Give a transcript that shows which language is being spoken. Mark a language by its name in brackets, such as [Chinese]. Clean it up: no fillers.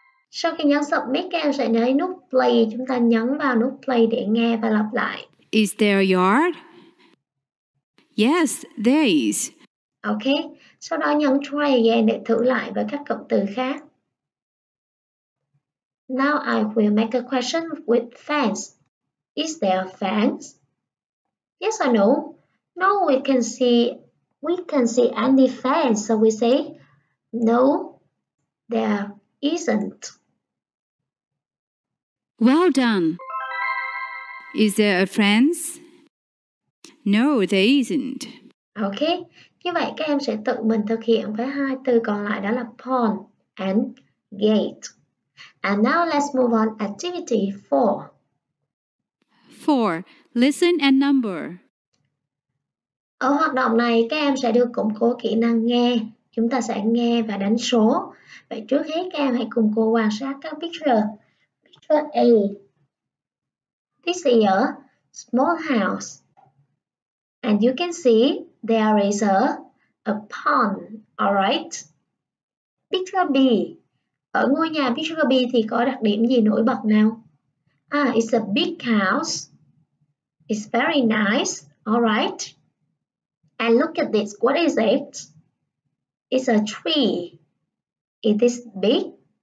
[Vietnamese] Sau khi nhấn submit, các em sẽ nhấn nút play. Chúng ta nhấn vào nút play để nghe và lặp lại. [English] Is there a yard? Yes, there is. Okay. [Vietnamese] Sau đó nhấn [English] try again [Vietnamese] để thử lại với các cụm từ khác. [English] Now I will make a question with fence. Is there a fence? Yes or no? No, we can see any fence. So we say, no, there isn't. Well done. Is there a fence? No, there isn't. Okay. [Vietnamese] Như vậy các em sẽ tự mình thực hiện với hai từ còn lại, đó là [English] pond and gate. And now let's move on activity 4. 4. Listen and number. [Vietnamese] Ở hoạt động này các em sẽ được củng cố kỹ năng nghe. Chúng ta sẽ nghe và đánh số. Vậy trước hết các em hãy cùng cô quan sát các picture. [English] Picture A. This is a small house. And you can see there is a pond, alright? Picture B. [Vietnamese] Ở ngôi nhà picture B thì có đặc điểm gì nổi bật nào? [English] It's a big house. It's very nice, alright? And look at this, what is it? It's a tree. It is big?